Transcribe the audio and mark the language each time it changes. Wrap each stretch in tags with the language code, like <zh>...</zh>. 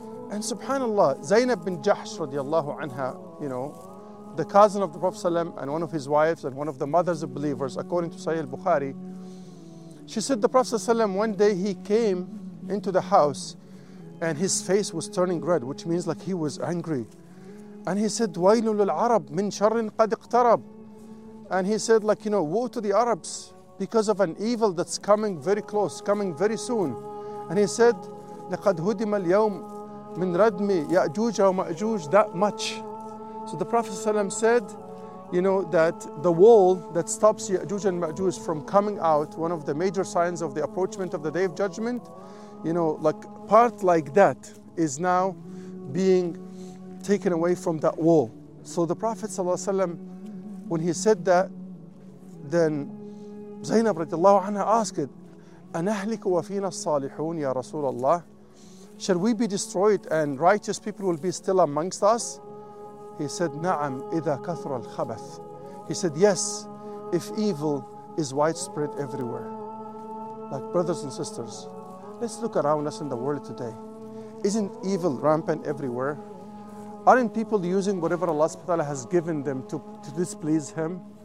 <en>And subhanAllah, Zainab bin Jahsh radiallahu anha, you know, the cousin of the Prophet Sallam and one of his wives and one of the mothers of believers, according to Sahih al-Bukhari, she said the Prophet Sallam, one day he came into the house and his face was turning red, which means like he was angry. And he said,</en> <ar>وَيْلُ لِلْعَرَبْ مِنْ شَرٍ قَدْ اقْتَرَبْ.</ar> <en>And he said, like, you know, woe to the Arabs because of an evil that's coming very close, coming very soon. And he said,</en> <ar>لَقَدْ هُدِمَ الْيَوْمْ مِنْ رَدْمِ يَأْجُوجَ وَمَأْجُوجَ.</ar> <en>That much. So the Prophet ﷺ said, you know, that the wall that stops Ya'juj and Ma'juj from coming out, one of the major signs of the approachment of the Day of Judgment, you know, like part like that is now being taken away from that wall. So the Prophet ﷺ, when he said that, then Zainab radiallahu anha asked,</en> <ar>أَنَهْلِكُ وَفِينَ الصَّالِحُونَ يَا رَسُولَ اللَّهِ.</ar> <en>Shall we be destroyed and righteous people will be still amongst us? He said,</en> <ar>نعم إذا كثر الخبث.</ar> <en>He said, yes, if evil is widespread everywhere. Like brothers and sisters, let's look around us in the world today. Isn't evil rampant everywhere? Aren't people using whatever Allah subhanahu wa ta'ala has given them to displease Him?</en>